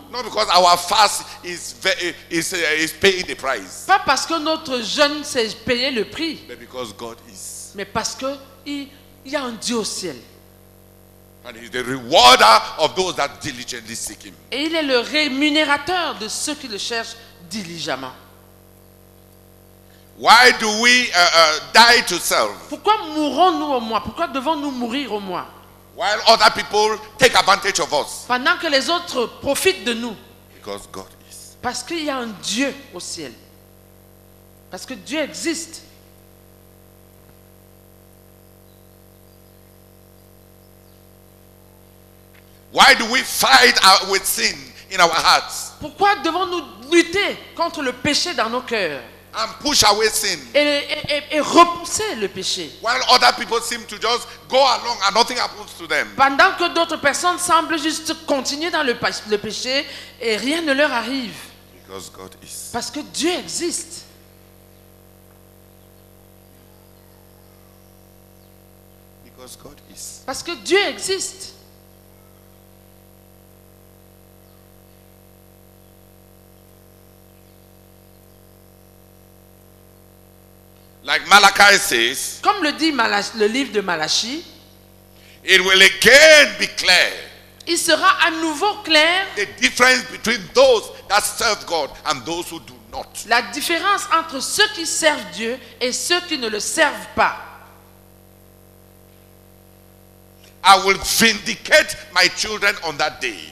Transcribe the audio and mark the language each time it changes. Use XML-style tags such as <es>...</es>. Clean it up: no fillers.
<en>Not because our fast is paying the price.</en> <fr>Pas parce que notre jeûne c'est payer le prix.</fr> <en>But because God is.</en> <fr>Mais parce que il y a un Dieu au ciel.</fr> <en>And he's the rewarder of those that diligently seek him.</en> <fr>Et il est le rémunérateur de ceux qui le cherchent diligemment.</fr> <en>Why do we die to self?</en> <fr>Pourquoi mourons-nous au moi? Pourquoi devons-nous mourir au moi?</fr> <en>While other people take advantage of us.</en> <fr>Pendant que les autres profitent de nous.</fr> <en>Because God is.</en> <fr>Parce qu'il y a un Dieu au ciel. Parce que Dieu existe.</fr> <en>Why do we fight with sin in our hearts?</en> <fr>Pourquoi devons-nous lutter contre le péché dans nos cœurs?</fr> <en>And push away sin.</en> <fr>Et repousser le péché.</fr> <en>While other people seem to just go along and nothing happens to them.</en> <fr>Pendant que d'autres personnes semblent juste continuer dans le péché et rien ne leur arrive.</fr> <en>Because God is.</en> <fr>Parce que Dieu existe.</fr> <en>Because God is.</en> <fr>Parce que Dieu existe.</fr> <en>Like Malachi says,</en> <fr>comme le dit le livre de Malachi,</fr> <en>it will again be clear.</en> <fr>Il sera à nouveau clair.</fr> <en>The difference between those that serve God and those who do not.</en> <fr>La différence entre ceux qui servent Dieu et ceux qui ne le servent pas.</fr> <en>I will vindicate my children on that day.</en>